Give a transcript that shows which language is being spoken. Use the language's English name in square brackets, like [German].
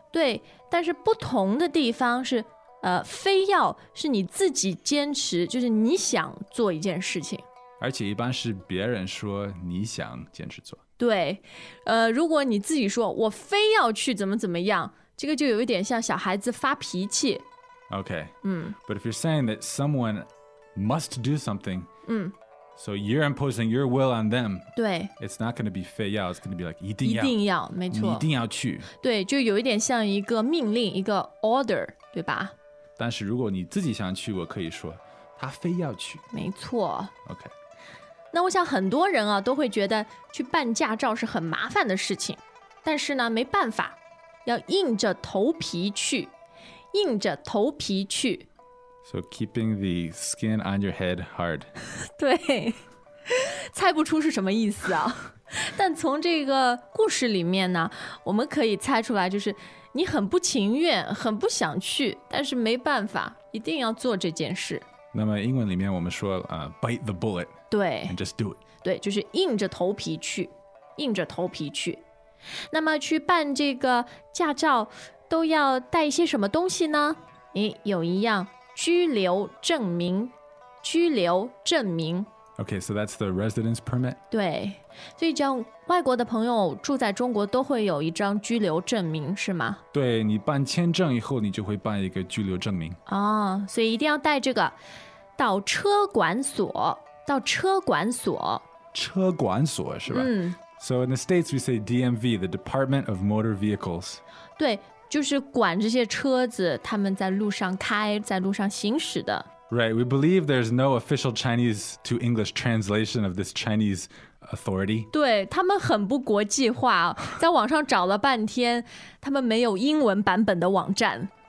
[Chinese] 对，但是不同的地方是，非要是你自己坚持，就是你想做一件事情，而且一般是别人说你想坚持做。对，如果你自己说我非要去怎么怎么样，这个就有一点像小孩子发脾气。 [English] OK， But if you're saying that someone must do something, So you're imposing your will on them. [Chinese] 对。 [English] It's not going to be 非要, it's going to be like 一定要。 [Chinese] 一定要,没错。你一定要去。对,就有一点像一个命令,一个 order, 对吧? 但是如果你自己想去,我可以说,他非要去。没错。 OK。那我想很多人啊,都会觉得去办驾照是很麻烦的事情。但是呢,没办法,要硬着头皮去。硬着头皮去。 [English] So keeping the skin on your head hard. [Chinese] 对，猜不出是什么意思啊。但从这个故事里面呢，我们可以猜出来，就是你很不情愿，很不想去，但是没办法，一定要做这件事。那么英文里面我们说 [English] bite the bullet. [Chinese] 对。 [English] And just do it. [Chinese] 对，就是硬着头皮去，硬着头皮去。那么去办这个驾照都要带一些什么东西呢？诶，有一样。居留证明，居留证明。 [English] Okay, so that's the residence permit. [Chinese] 对，所以这样外国的朋友住在中国都会有一张居留证明，是吗？对，你办签证以后，你就会办一个居留证明。哦，所以一定要带这个到车管所，到车管所。车管所是吧？嗯。 [English] So in the States, we say DMV, the Department of Motor Vehicles. [Chinese] 对，就是管这些车子，他们在路上开，在路上行驶的。 [English] Right, we believe there's no official Chinese to English translation of this Chinese authority. [Chinese] 对，他们很不国际化，在网上找了半天，他们没有英文版本的网站。